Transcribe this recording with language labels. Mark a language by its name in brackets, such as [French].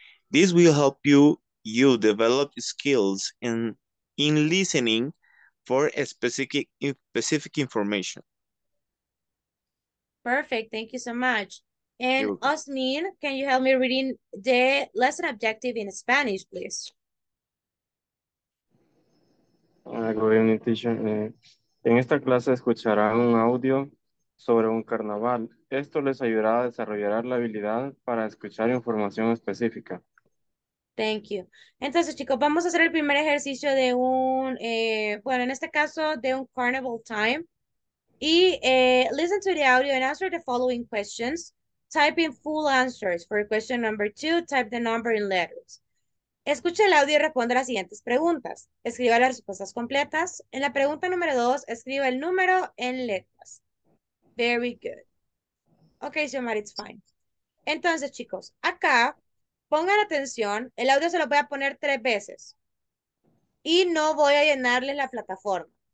[English] This will help you develop skills in listening for specific information. Perfect. Thank you so much. And Osmin, can you help me reading the lesson objective in Spanish, please? Good evening, teacher. [Spanish] En esta clase escucharán un audio sobre un carnaval. Esto les ayudará a desarrollar la habilidad para escuchar información específica. [English] Thank you. [Spanish] Entonces, chicos, vamos a hacer el primer ejercicio de un, bueno, en este caso, de un [English] carnival time. Y listen to the audio and answer the following questions. Type in full answers. For question number two, type the number in letters. [Spanish] Escucha el audio y responda las siguientes preguntas. Escriba las respuestas completas. En la pregunta número dos, escriba el número en letras. [English] Very good. Okay, Xiomara, it's fine. [Spanish] Entonces, chicos, acá, pongan atención. El audio se lo voy a poner tres veces. Y no voy a llenarles la plataforma.